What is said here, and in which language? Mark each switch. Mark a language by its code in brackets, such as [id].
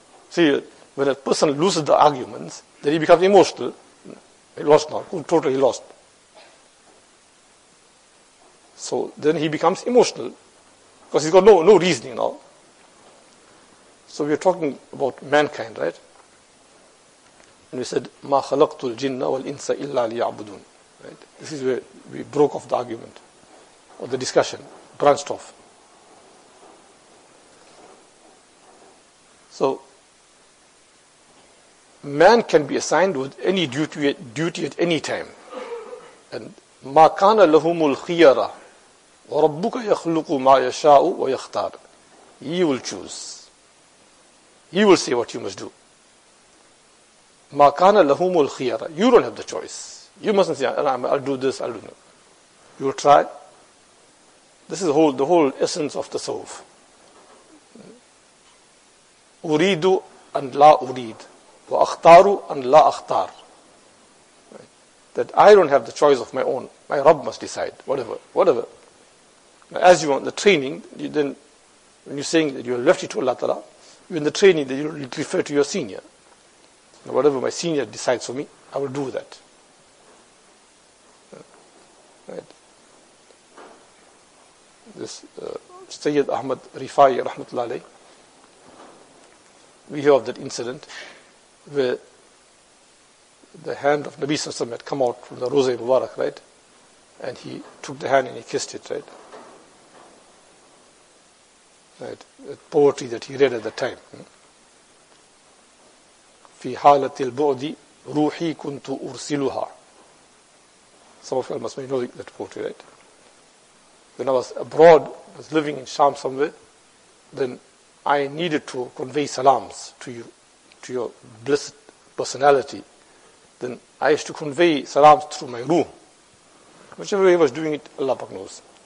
[en] See, when a person loses the arguments, then he becomes emotional. He lost now, totally lost. So then he becomes emotional because he's got no reasoning now. So we're talking about mankind, right? And we said, [ar] مَا خَلَقْتُ الْجِنَّ وَالْإِنسَ إِلَّا لِيَعْبُدُونَ. [en] Right? This is where we broke off the argument or the discussion, branched off. So, man can be assigned with any duty at any time. And [ar] ma kana lahumul khiyara, وَرَبُّكَ يَخْلُقُ مَا يَشَاءُ وَيَخْتَارُ. [en] He will choose. He will say what you must do. [ar] مَا كَانَ لَهُمُ الْخِيَرَةُ. [en] You don't have the choice. You mustn't say, I'll do this, I'll do that. You will try. This is the whole essence of the tasawwuf. [ar] أُرِيدُ أَنْ لَا أُرِيدُ وَأَخْتَارُ أَنْ لَا أَخْتَارُ. [en] That I don't have the choice of my own. My Rabb must decide. Whatever. Now, as you want the training, when you're saying that you have left it to Allah Ta'ala, in the training that you refer to your senior. Now, whatever my senior decides for me, I will do that. Right. This Sayyid Ahmad Rifai Rahmatullah Alayh, we hear of that incident where the hand of Nabi Sallallahu Alaihi Wasallam had come out from the Roza-e Mubarak, right? And he took the hand and he kissed it, right? Right, the poetry that he read at the time. [ar] في حالة البعد روحي كنت أرسلها. [en] Some of you must know that poetry, right? When I was abroad, I was living in Sham somewhere, then I needed to convey salams to you, to your blessed personality. Then I used to convey salams through my ruh. Whichever way I was doing it, Allah Pak knows.